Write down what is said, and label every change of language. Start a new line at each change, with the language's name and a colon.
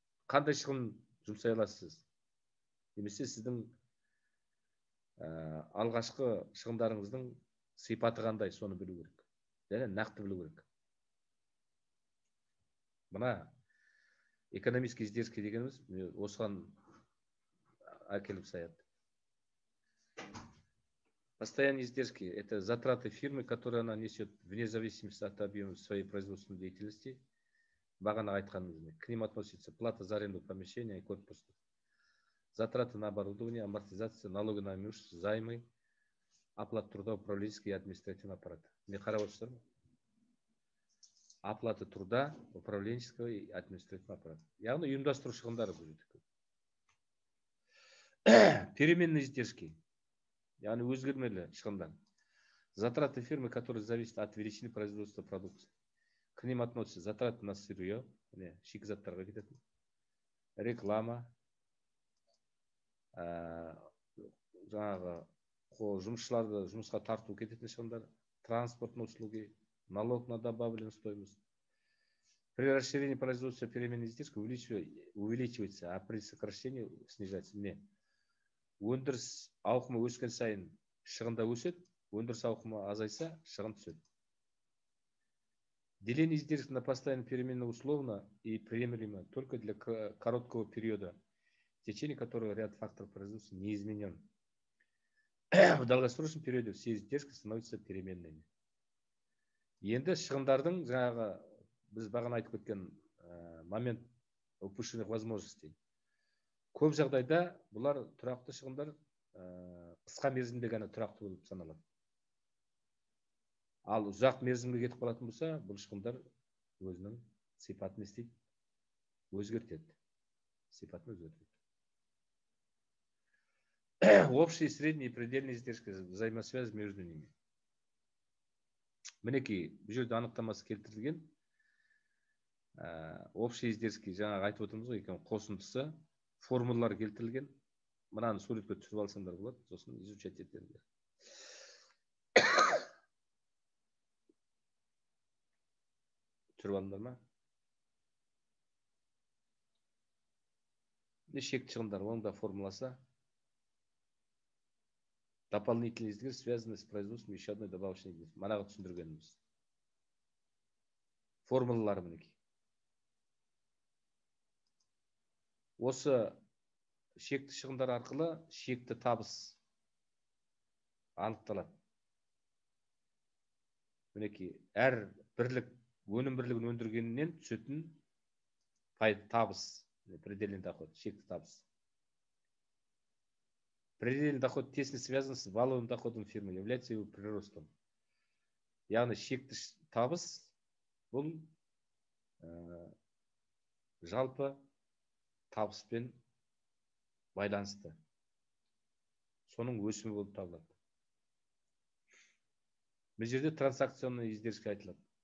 Kazakh: Қандай шығын жұмсай аласыз? Немесе сіздің алғашқы шығындарыңыздың сипаты қандай, соны білу керек. Және нақты білу керек. Мына экономический издержки дегеніміз осыған әкеліп саяды.
Russian: Постоянные издержки – это затраты фирмы, которые она несет вне зависимости от объема своей производственной деятельности.
Kazakh: Бағаны айтқанымызды.
Russian: К ним относится плата за аренду помещения и корпуса. Затраты на оборудование, амортизация, налоги на имущество, займы, оплата труда, управленческий и административный аппарат. Не хорошо, оплата труда, управленческого и административного аппарата.
Kazakh: Явно ұйымдастыру шығындары будет.
Russian: Переменные издержки.
Kazakh: Яғни өзгермелі шығындар.
Russian: Затраты фирмы, которые зависят от величины производства продукции. К ним относятся затраты на сырье,
Kazakh: шикзаттарға кететін, реклама, жаңағы жұмысшыларды жұмысқа тарту кететін шығындар,
Russian: транспортные услуги, налог на добавленную стоимость. При расширении производства переменной издержки увеличивается, а при сокращении снижается. Не.
Kazakh: Өндіріс ауқымы өскен сайын шығында өсет, өндіріс ауқымы азайса, шығын түсет.
Russian: Деление издержек на постоянную перемену условно и приемлемо только для короткого периода, в течение которого ряд факторов производства не изменен. В долгосрочном периоде все издержки становятся переменными.
Kazakh: Енді шығындардың жаңағы, біз бағана айтып өткен момент
Russian: упущенных возможностей.
Kazakh: Көп жағдайда бұлар тұрақты шығындар қысқа мерзімде ғана тұрақты болып саналады. Ал ұзақ мерзімге кетіп қалатын болса, бұл шығындар өзінің сипатын істейді, өзгертеді. Сипатын өзгертеді.
Russian: Общие, средние и предельные издержки взаимосвязи между ними.
Kazakh: Мінекей, бұл жерде анықтамасы келтірілген.
Russian: Общие издержки
Kazakh: жаңа айтып отырмыз ғой, қосындысы. Формулалар келтірілген. Мынаны суретке түсіріп алсаңдар болады, сосын изучать етеріңдер. Түсіріп алдыңдар ма? Шек шығындар, оның да формуласы.
Russian: Дополнительные издержки связаны с производством еще одной добавочной издержки.
Kazakh: Мынаны түсіндіргеніміз. Формулалар мінекей. Осы шекті шығындар арқылы шекті табыс анықталады. Мінекей, әр бірлік өнім бірлігін өндіргеннен түсетін пайда табыс,
Russian: предельный доход,
Kazakh: шекті табыс.
Russian: Предельный доход тесно связан с валовым доходом фирмы, является его приростом.
Kazakh: Яғни шекті табыс бұл жалпы табыспен байланысты. Соның өсімі болып табылады. Бұл жерде транзакционный издержки айтылады.